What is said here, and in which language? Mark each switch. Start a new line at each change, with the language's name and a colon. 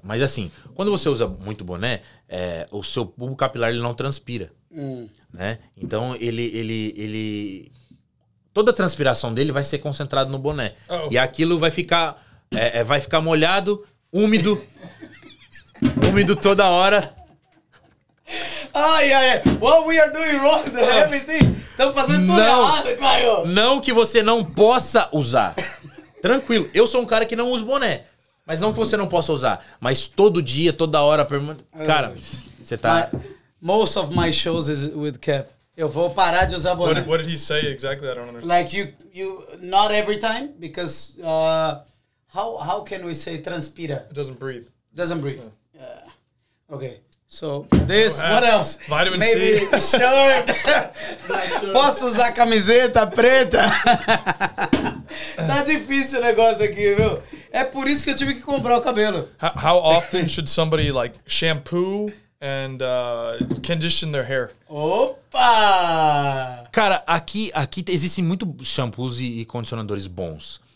Portuguese: Mas assim, quando você usa muito boné, o seu bulbo capilar ele não transpira. Né? Então ele toda a transpiração dele vai ser concentrada no boné. Uh-oh. E aquilo vai ficar molhado, úmido. Úmido toda hora.
English: Ai, ai, what we are doing wrong, everything.
Portuguese: Estamos fazendo tudo errado, Caio. Não que você não possa usar. Tranquilo. Eu sou um cara que não usa boné. Mas não que você não possa usar. Mas todo dia, toda hora... Cara, você tá...
English: Most of my shows is with cap.
Portuguese: Eu vou parar de usar boné.
English: What did he say exactly? I don't understand. Like, you not every time, because... How can we say transpira? It doesn't breathe. Doesn't breathe. Okay. So, this, what else? Vitamin Maybe C.
Portuguese: Shirt. Posso usar camiseta preta? Tá difícil o negócio aqui, viu? É por isso que eu tive que comprar o cabelo.
English: How often should somebody, like, shampoo and condition their hair?
Portuguese: Opa! Cara, aqui existem muito shampoos e condicionadores bons.